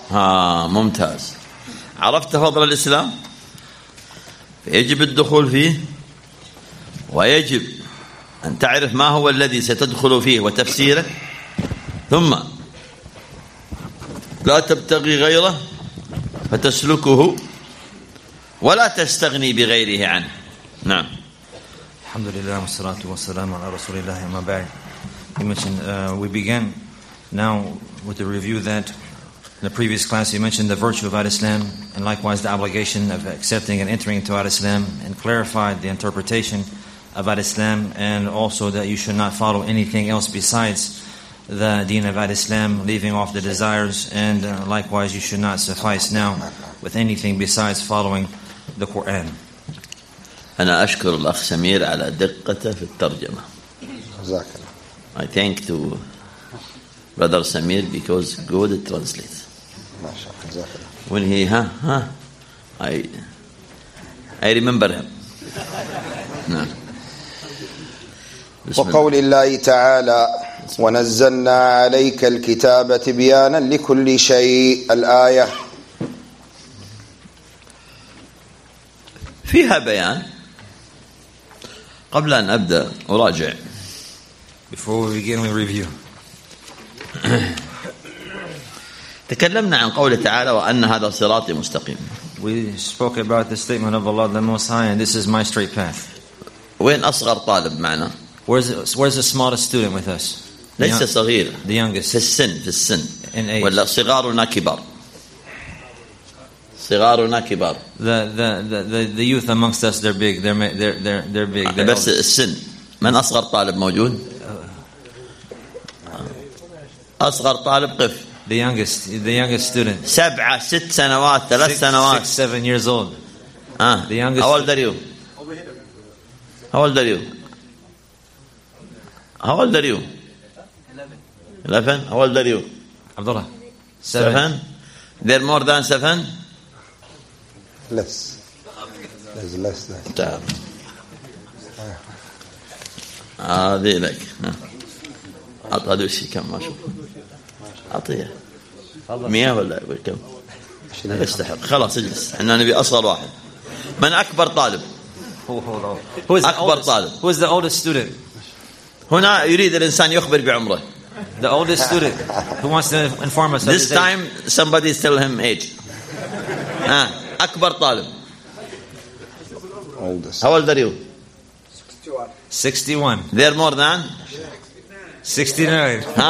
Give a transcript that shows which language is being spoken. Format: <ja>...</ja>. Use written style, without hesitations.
<ar>ها ممتاز، عرفت فضل الإسلام، يجب الدخول فيه ويجب أن تعرف ما هو الذي ستدخل فيه وتفسيره، ثم لا تبتغي غيره فتسلكه ولا تستغني بغيره عنه. نعم. الحمد لله والصلاة والسلام على رسول الله. أما بعد،</ar> <en>you mentioned we began now with the review that in the previous class you mentioned the virtue of al-Islam and likewise the obligation of accepting and entering into al-Islam and clarified the interpretation of al-Islam and also that you should not follow anything else besides the deen of al-Islam, leaving off the desires, and likewise you should not suffice now with anything besides following the Qur'an.</en> <ar>أنا أشكر الأخ سمير على دقته في الترجمة.</ar> <en>I thank to brother Samir because good translate. When he I remember him.</en> <ar>وقول الله تعالى ونزلنا عليك الكتاب تبيانا لكل شيء الآية فيها بيان. قبل أن أبدأ أراجع.</ar> <en>Before we begin, we review.</en> <ar>تكلمنا عن قوله تعالى وأن هذا صراطي مستقيم.</ar> <en>We spoke about the statement of Allah the Most High and this is my straight path.</en> <ar>وين أصغر طالب معنا؟</ar> <en>Where's the smallest student with us?</en> <ar>ليس صغير.</ar> <en>The youngest.</en> <ar>في السن.</ar> <en>In age.</en> <ar>ولا صغارنا كبار. صغارنا كبار.</ar> <en>The youth amongst us, they're big. They're big.</en> <ar>بس السن. من أصغر طالب موجود؟ أصغر طالب قف.</ar> <en>The youngest student.</en> <ar>سبعة ست سنوات ثلاث سنوات.</ar> <en>Six, 7 years old. The youngest. How old are you? How old are you? 11. How old are you? Abdullah. Seven. They're more than seven? Less. There's less than. Damn.</en> <ar>لك. أعطى دوشي كم ما شوف. أعطيه. 100 ولا كم؟ استحق. خلاص اجلس. إحنا نبي أصغر واحد. من أكبر طالب؟ هو أكبر طالب.</ar> <en>Who is the oldest student?</en> <ar>هنا يريد الإنسان يخبر بعمره.</ar> <en>The oldest student who wants to inform us. This time somebody tell him age.</en> <ar>أكبر طالب.</ar> <en>Oldest. How old are you? 61. They're more than? 69.</en>